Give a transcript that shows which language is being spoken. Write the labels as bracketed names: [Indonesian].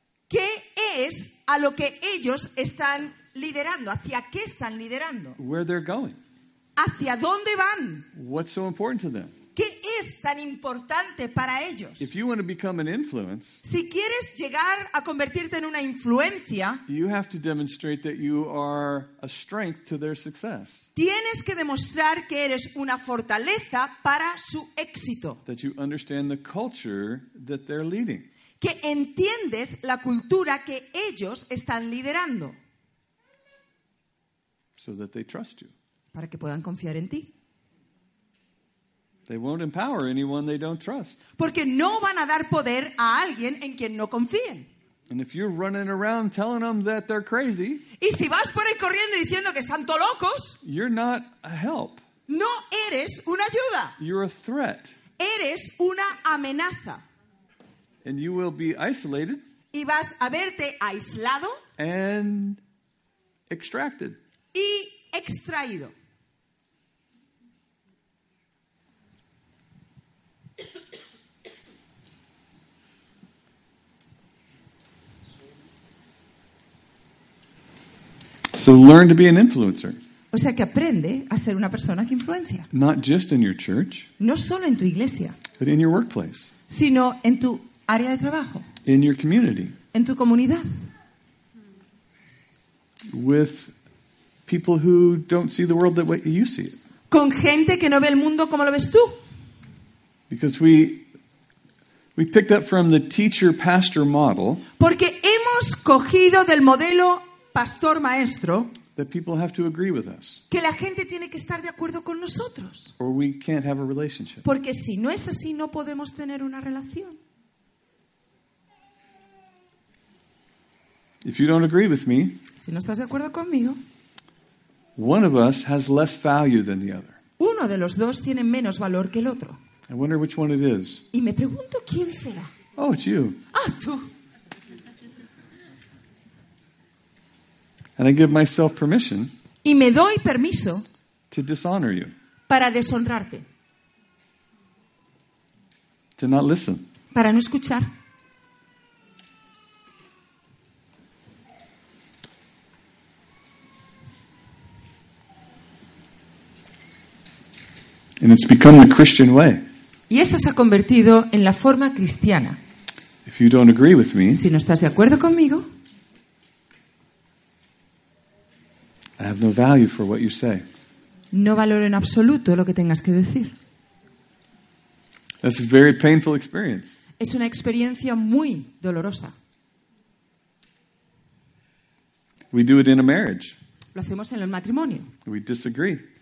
[Spanish] ¿Qué es a lo que ellos están liderando? ¿Hacia qué están liderando? [English] Where they're going. [Spanish] ¿Hacia dónde van? [English] What's so important to them? [Spanish] ¿Qué es tan importante para ellos? [English] If you want to become an influence, [Spanish] si quieres llegar a convertirte en una influencia, [English] you have to demonstrate that you are a strength to their success. [Spanish] Tienes que demostrar que eres una fortaleza para su éxito. [English] That you understand the culture that they're leading. [Spanish] Que entiendes la cultura que ellos están liderando. [English] so that they trust you. [Spanish] Para que puedan confiar en ti. [English] They won't empower anyone they don't trust. [Spanish] Porque no van a dar poder a alguien en quien no confíen. [English] And if you're running around telling them that they're crazy, [Spanish] y si vas por ahí corriendo diciendo que están todos locos, [English] you're not a help. [Spanish] No eres una ayuda. [English] You're a threat. [Spanish] Eres una amenaza. [English] And you will be isolated. [Spanish] Y vas a verte aislado. [English] And extracted. [Spanish] Y extraído. [English] So learn to be an influencer. [Spanish] O sea, que aprende a ser una persona que influencia. [English] Not just in your church. [Spanish] No solo en tu iglesia. [English] But in your workplace. [Spanish] Sino en tu área de trabajo. [English] In your community. [Spanish] En tu comunidad. [English] With people who don't see the world the way you see it. [Spanish] Con gente que no ve el mundo como lo ves tú. [English] Because we picked up from the teacher pastor model. [Spanish] Porque hemos cogido del modelo pastor maestro. [English] That people have to agree with us. [Spanish] Que la gente tiene que estar de acuerdo con nosotros. [English] Or we can't have a relationship. [Spanish] Porque si no es así, no podemos tener una relación. [English] If you don't agree with me, [Spanish] si no estás de acuerdo conmigo, [English] one of us has less value than the other. [Spanish] Uno de los dos tiene menos valor que el otro. [English] I wonder which one it is. [Spanish] Y me pregunto quién será. [English] Oh, it's you. [Spanish] Ah, tú. [English] And I give myself permission. [Spanish] Y me doy permiso. [English] To dishonor you. [Spanish] Para deshonrarte. [English] To not listen. [Spanish] Para no escuchar. [English] And it's become the Christian way. [Spanish] Y eso se ha convertido en la forma cristiana. [English] If you don't agree with me. [Spanish] Si no estás de acuerdo conmigo. [English] I have no value for what you say. [Spanish] No valoro en absoluto lo que tengas que decir. [English] That's a very painful experience. [Spanish] Es una experiencia muy dolorosa. [English] We do it in a marriage. [Spanish] Lo hacemos en el matrimonio. [English] We disagree.